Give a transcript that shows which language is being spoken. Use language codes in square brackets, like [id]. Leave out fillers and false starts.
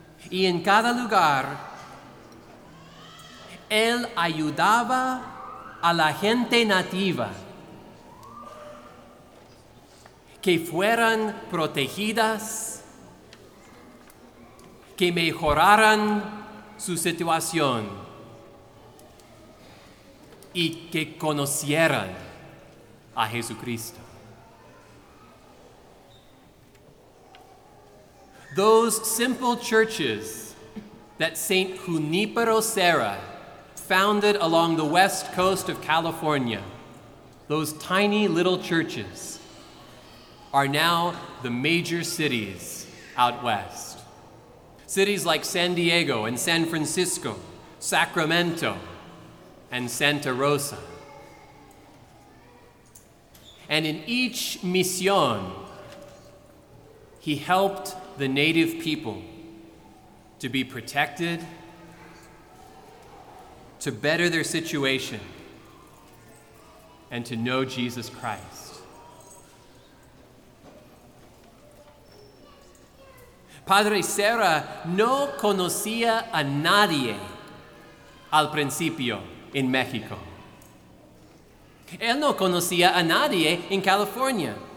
[es] Y en cada lugar, él ayudaba a la gente nativa que fueran protegidas, que mejoraran su situación y que conocieran a Jesucristo. [en] Those simple churches that Saint Junipero Serra founded along the west coast of California, those tiny little churches, are now the major cities out west. Cities like San Diego and San Francisco, Sacramento, and Santa Rosa. And in each mission, he helped the native people to be protected, to better their situation, and to know Jesus Christ. [es] Padre Serra no conocía a nadie al principio en México. Él no conocía a nadie en California.